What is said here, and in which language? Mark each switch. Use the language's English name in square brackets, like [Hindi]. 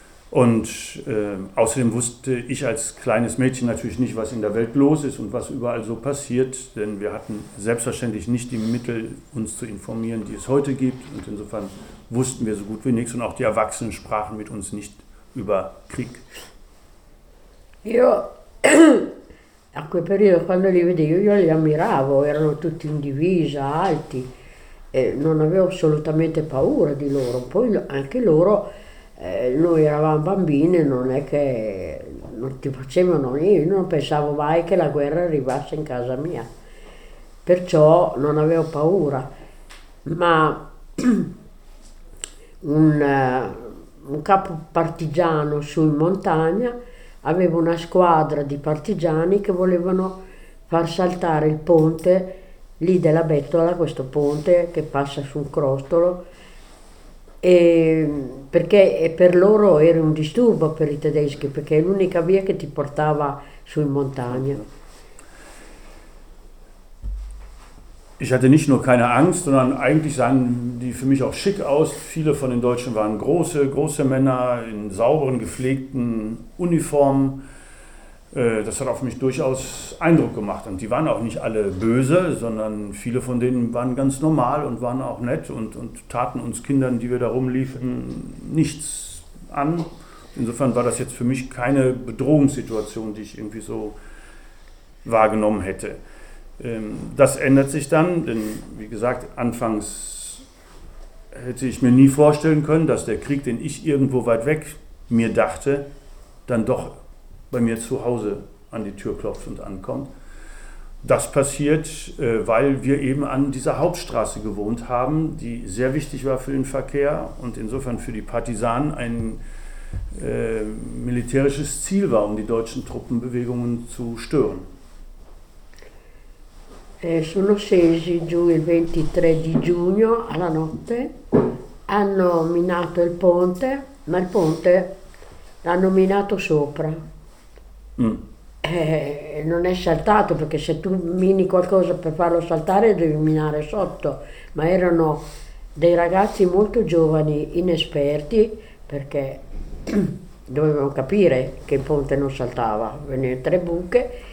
[German] Und außerdem wusste ich als kleines Mädchen natürlich nicht, was in der Welt los ist und was überall so passiert, denn wir hatten selbstverständlich nicht die Mittel, uns zu informieren, die es heute gibt. Und insofern wussten wir so gut wie nichts und auch die Erwachsenen sprachen mit uns nicht über Krieg. [Italian] Io, a quel periodo, quando li vedevo, io li ammiravo, erano tutti in divisa, alti, e non avevo assolutamente paura di loro. Poi anche loro, noi eravamo bambine, non è che non ti facevano niente, io non pensavo mai che la guerra arrivasse in casa mia. Perciò non avevo paura. Ma un capo partigiano su in montagna aveva una squadra di partigiani che volevano far saltare il ponte lì della Bettola, questo ponte che passa su un crostolo, e perché per loro era un disturbo per i tedeschi, perché è l'unica via che ti portava su in montagna. [German] Ich hatte nicht nur keine Angst, sondern eigentlich sahen die für mich auch schick aus. Viele von den Deutschen waren große, große Männer in sauberen, gepflegten Uniformen. Das hat auf mich durchaus Eindruck gemacht. Und die waren auch nicht alle böse, sondern viele von denen waren ganz normal und waren auch nett und taten uns Kindern, die wir da rumliefen, nichts an. Insofern war das jetzt für mich keine Bedrohungssituation, die ich irgendwie so wahrgenommen hätte. Das ändert sich dann, denn wie gesagt, anfangs hätte ich mir nie vorstellen können, dass der Krieg, den ich irgendwo weit weg mir dachte, dann doch bei mir zu Hause an die Tür klopft und ankommt. Das passiert, weil wir eben an dieser Hauptstraße gewohnt haben, die sehr wichtig war für den Verkehr und insofern für die Partisanen ein militärisches Ziel war, um die deutschen Truppenbewegungen zu stören. [Italian] Sono scesi giù il 23 di giugno alla notte, hanno minato il ponte, ma il ponte l'hanno minato sopra. Non è saltato, perché se tu mini qualcosa per farlo saltare devi minare sotto, ma erano dei ragazzi molto giovani, inesperti, perché dovevano capire che il ponte non saltava, venivano tre buche.